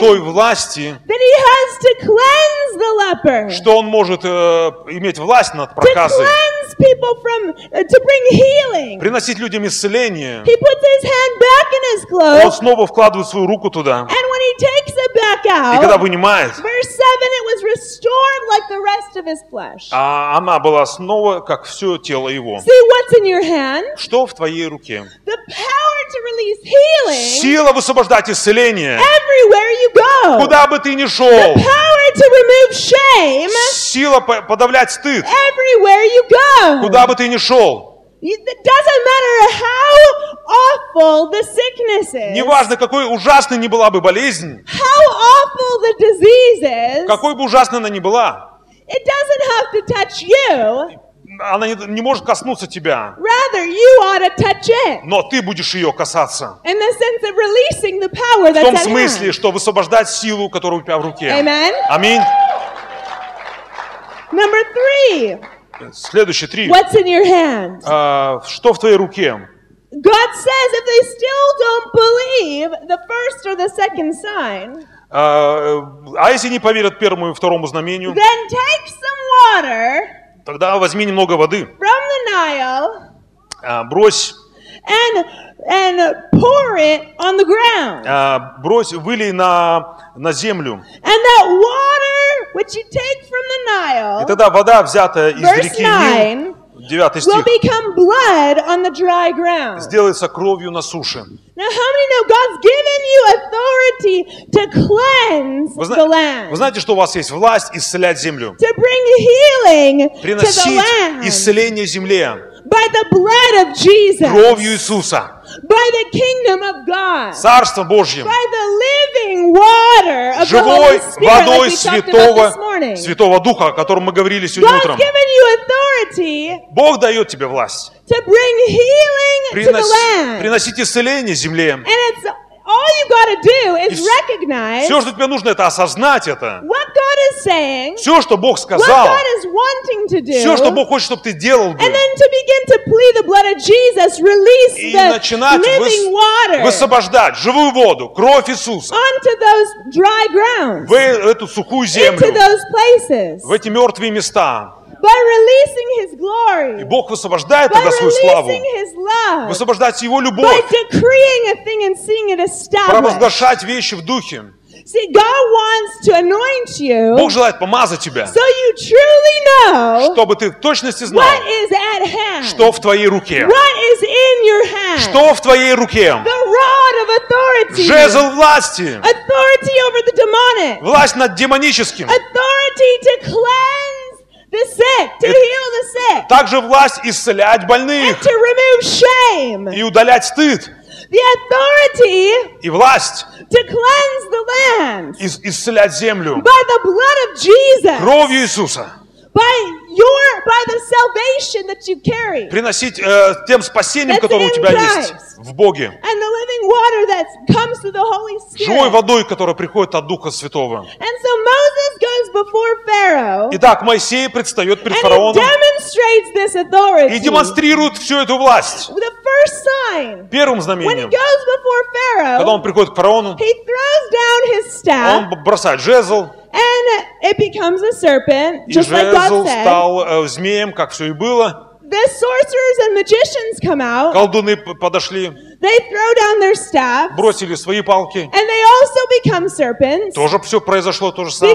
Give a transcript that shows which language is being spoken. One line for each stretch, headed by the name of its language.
Russian: той власти,
English: that he has to cleanse the leper,
Russian: что он может иметь власть над проказой,
English: to cleanse people from, to bring healing.
Russian: Приносить людям исцеление.
English: He puts his hand back in his cloak,
Russian: он снова вкладывает свою руку туда.
English: And when he takes it back out,
Russian: и когда вынимает,
English: verse 7, it was restored like the rest of his flesh.
Russian: А она была снова, как все тело его.
English: See what's in your hand?
Russian: Что в твоей руке?
English: The power to release healing,
Russian: сила высвобождать исцеление.
English: Everywhere you go.
Russian: Куда бы ты ни шел.
English: The power to remove shame.
Russian: Сила подавлять стыд.
English: Everywhere you go.
Russian: Куда бы ты ни шел.
English: It doesn't matter how awful the sickness is.
Russian: Неважно, какой ужасной ни была бы болезнь.
English: How awful the disease is.
Russian: Какой бы ужасной она ни была.
English: It doesn't have to touch you.
Russian: Она не может коснуться тебя.
English: Rather, you ought to touch it.
Russian: Но ты будешь ее касаться.
English: In the sense of releasing the power that's
Russian: в том смысле, что высвобождать силу, которая у тебя в руке.
English: Amen.
Russian: Аминь.
English: Number three.
Russian: Следующий три.
English: What's in your hand?
Russian: Что в твоей руке?
English: God says if they still don't believe the first or the second sign.
Russian: А если не поверят первому и второму знамению?
English: Then take some water.
Russian: Тогда возьми немного воды.
English: From the Nile,
Russian: брось.
English: And pour it on the ground.
Russian: Брось, вылей на землю.
English: And that water, which you take from the Nile,
Russian: и тогда вода, взятая из реки Нил, 9 стих,
English: will become blood on the dry ground.
Russian: Сделается кровью на суше.
English: Now how many know God's given you authority to cleanse the land?
Russian: Вы знаете, что у вас есть власть исцелять землю?
English: To bring healing to the land.
Russian: Приносить исцеление земле.
English: By the blood of Jesus.
Russian: Кровью Иисуса.
English: By the kingdom of God.
Russian: Царством Божьим.
English: By the living water of the Holy Spirit,
Russian: водой
English: like we talked about this morning.
Russian: Святого Духа, о котором мы говорили сегодня утром.
English: God's given you authority.
Russian: Бог дает тебе власть.
English: To bring healing to the land.
Russian: Приносить исцеление земле.
English: And it's all you got to do is recognize.
Russian: Все, что тебе нужно, это осознать это.
English: What God is saying.
Russian: Все, что Бог сказал.
English: What God is wanting to do.
Russian: Все, что Бог хочет, чтобы ты делал.
English: And then to begin to plead the blood of Jesus, release the living water.
Russian: Высвобождать живую воду, кровь Иисуса.
English: Onto those dry grounds.
Russian: В эту сухую землю.
English: Into those places.
Russian: В эти мертвые места.
English: By releasing His glory.
Russian: И Бог высвобождает тогда свою славу. Высвобождает Его любовь.
English: By decreeing a thing and seeing it established.
Russian: Провозглашать вещи в духе.
English: See, God wants to anoint you.
Russian: Бог желает помазать тебя.
English: So you truly know.
Russian: Чтобы ты в точности знал.
English: What is at hand?
Russian: Что в твоей руке?
English: What is in your hand?
Russian: Что в твоей руке?
English: The rod of authority.
Russian: Жезл власти.
English: Authority over the demonic.
Russian: Власть над демоническим.
English: Authority to cleanse. The sick, to heal the sick.
Russian: Также власть исцелять больных.
English: And to remove shame.
Russian: И удалять стыд.
English: The authority.
Russian: И власть.
English: To cleanse the land.
Russian: Исцелять землю.
English: By the blood of Jesus.
Russian: Кровью Иисуса.
English: By the salvation that you carry.
Russian: Приносить тем спасением, которое у тебя есть в Боге.
English: And the living water that comes through the Holy Spirit.
Russian: Живой водой, которая приходит от Духа Святого.
English: And so Moses goes before Pharaoh.
Russian: Итак, Моисей предстает перед фараоном.
English: And he demonstrates this authority.
Russian: И демонстрирует всю эту власть.
English: The first sign.
Russian: Первым знамением.
English: When he goes before Pharaoh.
Russian: Когда он приходит к фараону.
English: He throws down his staff.
Russian: Он бросает жезл.
English: And it becomes a serpent, just like God said.
Russian: Стал змеем, как все и было.
English: The sorcerers and magicians come out.
Russian: Колдуны подошли.
English: They throw down their staff.
Russian: Бросили свои палки.
English: And they also become serpents.
Russian: Тоже все произошло то же самое.